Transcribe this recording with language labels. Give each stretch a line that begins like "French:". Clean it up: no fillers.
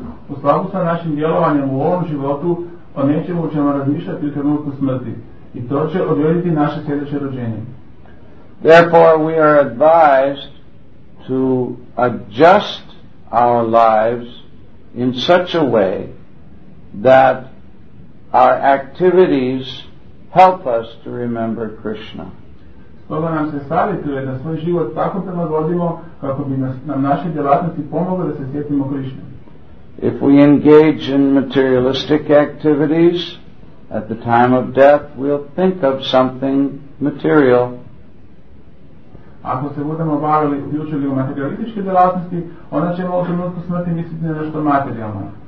Croatian: U skladu sa našim djelovanjem u ovom životu, o nečemu ćemo razmišljati u trenutku smrti, i to će odrediti naše sljedeće rođenje.
English: Therefore, we are advised to adjust our lives in such a way that our activities help us to remember Krishna.
Croatian: Stoga nam se savjetuje da svoj život tako prilagodimo kako bi nam naše djelatnosti pomogle da se sjetimo Krišne.
English: If we engage in materialistic activities at the time of death, we'll think of something material.
Croatian: Ako se budemo bavili, uključili u materialističke djelatnosti, onda ćemo u trenutku smrti misliti na nešto materijalno.